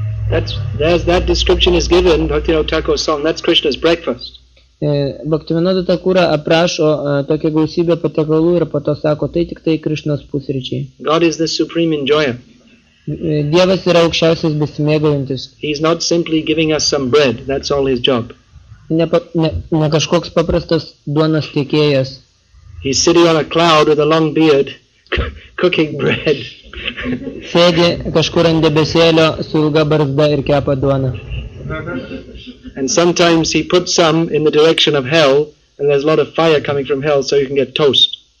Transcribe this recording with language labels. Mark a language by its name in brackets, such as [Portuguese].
[English] That description is given in Bhaktivinoda Thakur's song. That's Krishna's breakfast. [Lithuanian] Bhaktivinoda Thakura aprašo tokią gausybę patiekalų ir po to sako, tai tik tai Krišnos pusryčiai. [English] God is the supreme enjoyer. [Lithuanian] Dievas yra aukščiausias besimėgaujantis. [English] He is not simply giving us some bread, that's all his job. [Lithuanian] Ne kažkoks paprastas duonos tiekėjas. [English] He's sitting on a cloud with a long beard, cooking bread. [Lithuanian] Sėdi kažkur ant debesėlio su ilga barzda ir kepa duoną. [English] And sometimes he puts some in the direction of hell, and there's a lot of fire coming from hell, so you can get toast.